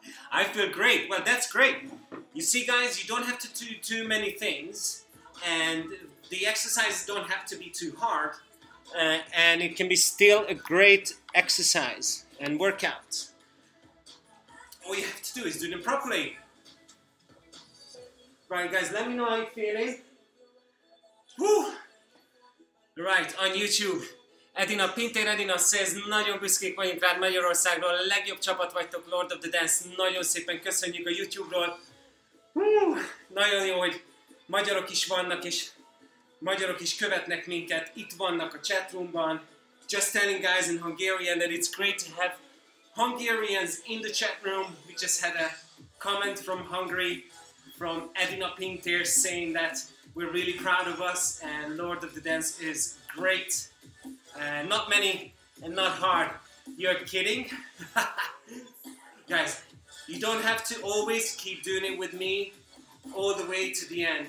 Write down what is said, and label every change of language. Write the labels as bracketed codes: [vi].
[en] I feel great. Well, that's great. You see, guys, you don't have to do too many things, and the exercises don't have to be too hard. And it can be still a great exercise and workout. All you have to do is do them properly. Right, guys, let me know how you're feeling. Woo! Right, on YouTube. [hu] Edina Pintér Edina says, nagyon büszkék vagyunk rád Magyarországról, a legjobb csapat vagytok, Lord of the Dance. Nagyon szépen köszönjük a YouTube-ról. Woo! Nagyon jó, hogy magyarok is vannak, és magyarok is követnek minket, itt vannak a chatroomban. [en] Just telling guys in Hungarian that it's great to have Hungarians in the chatroom. We just had a comment from Hungary, from Edina Pintér, saying that we're really proud of us and Lord of the Dance is great. Not many and not hard. You're kidding? Guys, you don't have to always keep doing it with me all the way to the end.